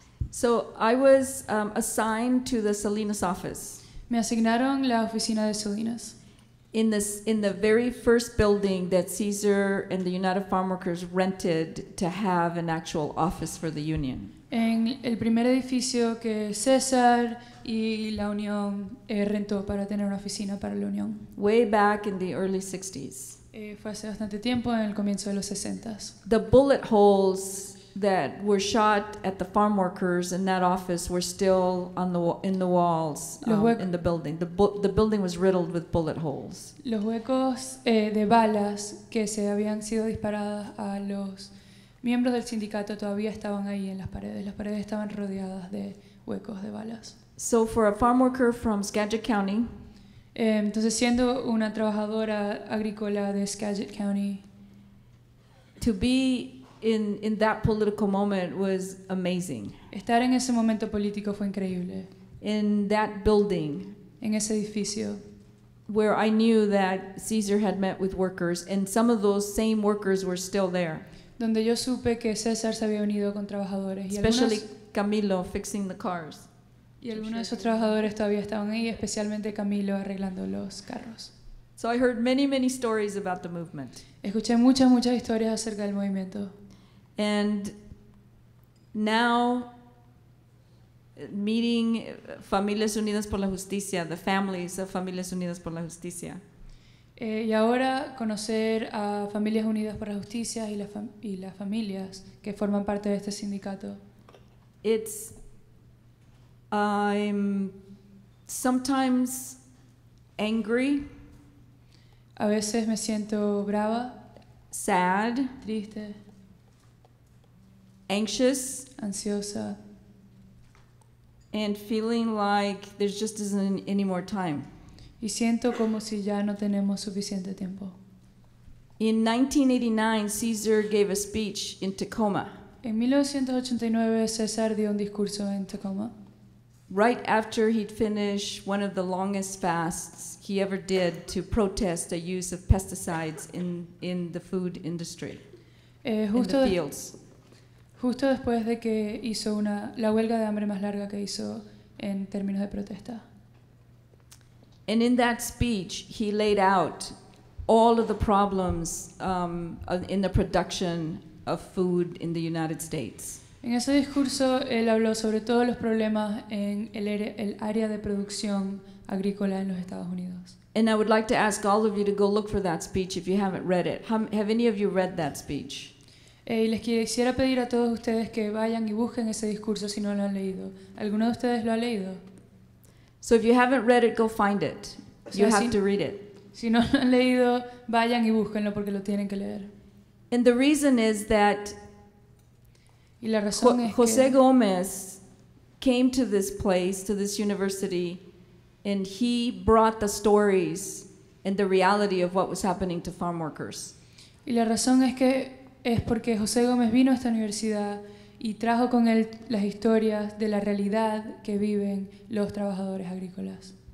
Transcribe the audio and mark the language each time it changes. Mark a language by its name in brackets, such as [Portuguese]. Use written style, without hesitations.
[English] So I was assigned to the Salinas office. [Spanish] Me asignaron la oficina de Salinas. [English] In the very first building that Caesar and the United Farmworkers rented to have an actual office for the union. [Spanish] En el primer edificio que César y la Unión rentó para tener una oficina para la Unión. [English] Way back in the early 60s. [Spanish] Fue hace bastante tiempo, en el comienzo de los 60s. [English] The bullet holes that were shot at the farm workers in that office were still in the walls in the building. The building was riddled with bullet holes. [Spanish] Los huecos de balas que se habían sido disparadas a los miembros del sindicato todavía estaban ahí en las paredes. Las paredes estaban rodeadas de huecos de balas. [English] So for a farm worker from Skagit County, [Spanish] entonces siendo una trabajadora agrícola de Skagit County, [English] to be in that political moment was amazing. [Spanish] Estar en ese momento político fue increíble. [English] In that building, [Spanish] en ese edificio, [English] where I knew that Caesar had met with workers, and some of those same workers were still there. [Spanish] Donde yo supe que César se había unido con trabajadores. [English] Especially [Spanish] y algunos, [English] Camilo fixing the cars. [Spanish] Y algunos de esos trabajadores todavía estaban ahí, especialmente Camilo arreglando los carros. [English] So I heard many, many stories about the movement. [Spanish] Escuché muchas, muchas historias acerca del movimiento. [English] And now, meeting Familias Unidas por la Justicia, the families of Familias Unidas por la Justicia. [Spanish] Y ahora conocer a Familias Unidas por la Justicia y las familias que forman parte de este sindicato. [English] It's, I'm sometimes angry. [Spanish] A veces me siento brava, [English] sad, [Spanish] triste, [English] anxious, [Spanish] ansiosa, [English] and feeling like there just isn't any more time. [Spanish] Y siento como si ya no tenemos suficiente tiempo. [English] In 1989, Caesar gave a speech in Tacoma. [Spanish] En 1989, César dio un discurso en Tacoma. [English] Right after he'd finished one of the longest fasts he ever did to protest the use of pesticides in the food industry, [Spanish] justo [English] in the fields. [Spanish] Justo después de que hizo la huelga de hambre más larga que hizo en términos de protesta. [English] And in that speech, he laid out all of the problems in the production of food in the United States. [Spanish] En ese discurso, él habló sobre todos los problemas en el área de producción agrícola en los Estados Unidos. [English] And I would like to ask all of you to go look for that speech if you haven't read it. Have any of you read that speech? [Spanish] Y les quisiera pedir a todos ustedes que vayan y busquen ese discurso si no lo han leído. ¿Alguno de ustedes lo ha leído? [English] So if you haven't read it, go find it. You have to read it. [Spanish] Si no lo han leído, vayan y búsquenlo porque lo tienen que leer. [English] And the reason is that [Spanish] y la razón es [English] José [Spanish] que [English] Gómez came to this place, to this university, and he brought the stories and the reality of what was happening to farm workers. [Spanish] Y la razón es que es porque José Gómez vino a esta universidad y trajo con él las historias de la realidad que viven los trabajadores agrícolas.